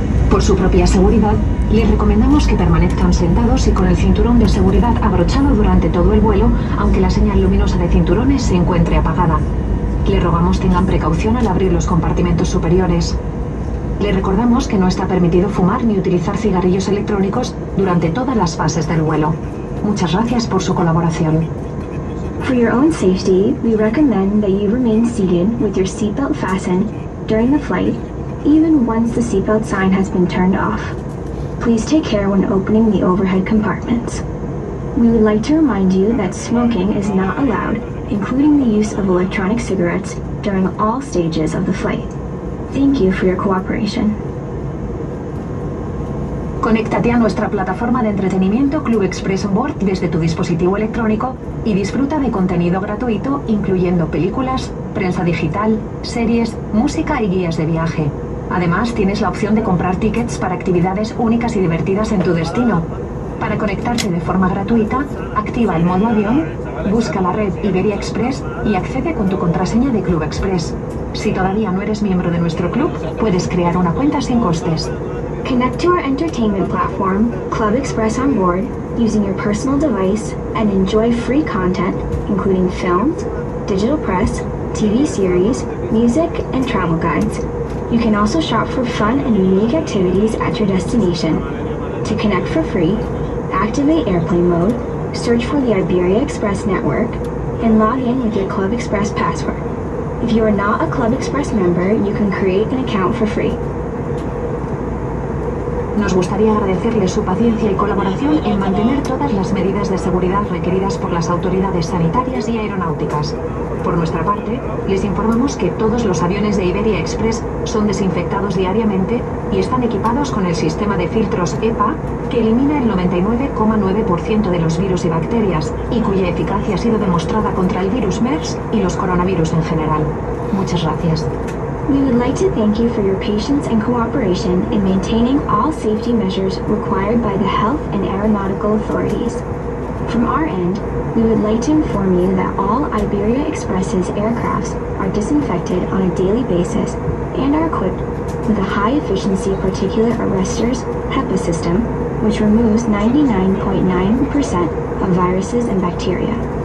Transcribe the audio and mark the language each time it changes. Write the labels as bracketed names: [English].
[Spanish] Por su propia seguridad, les recomendamos que permanezcan sentados y con el cinturón de seguridad abrochado durante todo el vuelo, aunque la señal luminosa de cinturones se encuentre apagada. Le rogamos tengan precaución al abrir los compartimentos superiores. Le recordamos que no está permitido fumar ni utilizar cigarrillos electrónicos durante todas las fases del vuelo. Muchas gracias por su colaboración. [English] For your own safety, we recommend that you remain seated with your seatbelt fastened during the flight, even once the seatbelt sign has been turned off. Please take care when opening the overhead compartments. We would like to remind you that smoking is not allowed, including the use of electronic cigarettes, during all stages of the flight. Thank you for your cooperation. [Spanish] Conéctate a nuestra plataforma de entretenimiento Club Express On Board desde tu dispositivo electrónico y disfruta de contenido gratuito, incluyendo películas, prensa digital, series, música y guías de viaje. Además, tienes la opción de comprar tickets para actividades únicas y divertidas en tu destino. Para conectarte de forma gratuita, activa el modo avión, busca la red Iberia Express y accede con tu contraseña de Club Express. Si todavía no eres miembro de nuestro club, puedes crear una cuenta sin costes. [English] Connect to our entertainment platform, Club Express On Board, using your personal device and enjoy free content, including films, digital press, TV series, music, and travel guides. You can also shop for fun and unique activities at your destination. To connect for free, activate airplane mode, search for the Iberia Express network, and log in with your Club Express password. If you are not a Club Express member, you can create an account for free. [Spanish] Nos gustaría agradecerle su paciencia y colaboración en mantener todas las medidas de seguridad requeridas por las autoridades sanitarias y aeronáuticas. Por nuestra parte, les informamos que todos los aviones de Iberia Express son desinfectados diariamente y están equipados con el sistema de filtros HEPA, que elimina el 99,9% de los virus y bacterias, y cuya eficacia ha sido demostrada contra el virus MERS y los coronavirus en general. Muchas gracias. [English] We would like to thank you for your patience and cooperation in maintaining all safety measures required by the health and aeronautical authorities. From our end, we would like to inform you that all Iberia Express's aircrafts are disinfected on a daily basis and are equipped with a high-efficiency particulate arresters HEPA system, which removes 99.9% of viruses and bacteria.